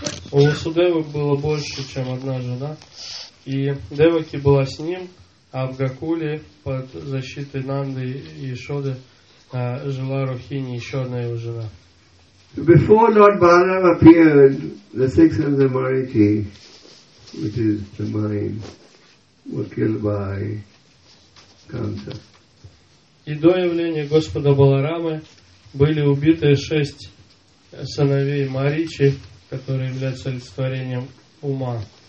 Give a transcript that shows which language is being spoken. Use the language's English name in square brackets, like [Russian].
[Russian] У Васудевы было больше, чем одна жена, и Деваки была с ним. А в Гакуле под защитой Нанды и Ешоды жила Рухини, еще одна его жена. [English] Before Lord Balaram appeared, the six sons of Marichi, which is the mind, were killed by Kamsa. [Russian] И до явления Господа Баларамы были убиты шесть сыновей Маричи, которые являются олицетворением ума.